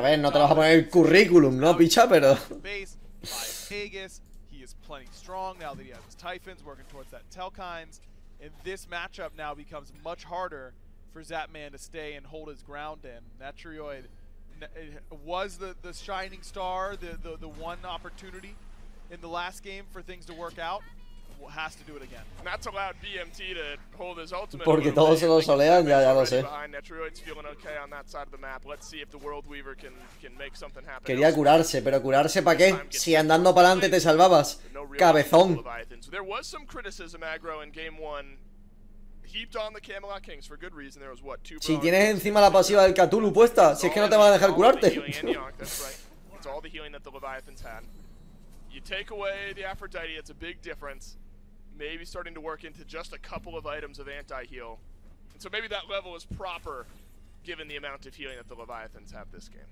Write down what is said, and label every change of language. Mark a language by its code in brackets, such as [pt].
[es] vez no te vas a poner el currículum, ¿no, picha? Pero... [en] he is plenty strong now that he has his Typhons working towards that Tel'Kaines. And this matchup now becomes much harder for Zapman to stay and hold his ground in. Netruid was the shining star, the one opportunity in the last game for things to work out. Well, has to do it again. And that's allowed BMT to hold his ultimate. [es] Porque todos se lo solean, ya lo sé. [en] Netruid's feeling okay on that side of the map. Let's see if the World Weaver can make something happen. [es] Quería curarse, pero curarse ¿para qué? Si andando para adelante te salvabas. Cabezón. [en] There was some criticism aggro in game one. Heaped on the Camelot Kings for good reason. There was what, two. [es] Si tienes encima la pasiva del Cthulhu puesta, si es que no te van a dejar curarte. [en] It's all the healing that the Leviathans had. You take away the Aphrodite, it's a big difference. Maybe starting to work into just a couple of items of anti-heal. And so maybe that level is proper, given the amount of healing that the Leviathans have this game.